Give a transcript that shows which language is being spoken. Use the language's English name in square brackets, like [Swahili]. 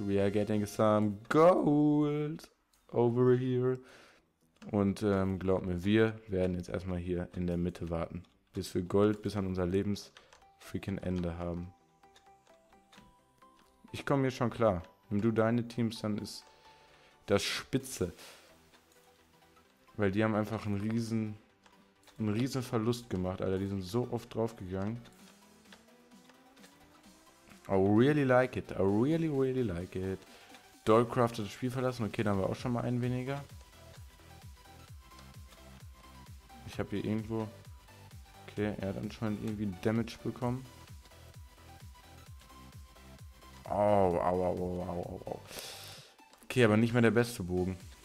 [English] We are getting some gold over here. [German] Und glaub mir, wir werden jetzt erstmal hier in der Mitte warten. Bis wir Gold bis an unser Lebens freaking Ende haben. Ich komme hier schon klar. Nimm du deine Teams, dann ist das Spitze. Weil die haben einfach einen riesen Verlust gemacht, Alter. Die sind so oft draufgegangen. [English] I really like it. I really, really like it. [German] Dollcraft hat das Spiel verlassen. Okay, dann haben wir auch schon mal einen weniger. Ich habe hier irgendwo... Okay, er hat anscheinend irgendwie Damage bekommen. Oh, au, au, au, au, au, au. Okay, aber nicht mehr der beste Bogen.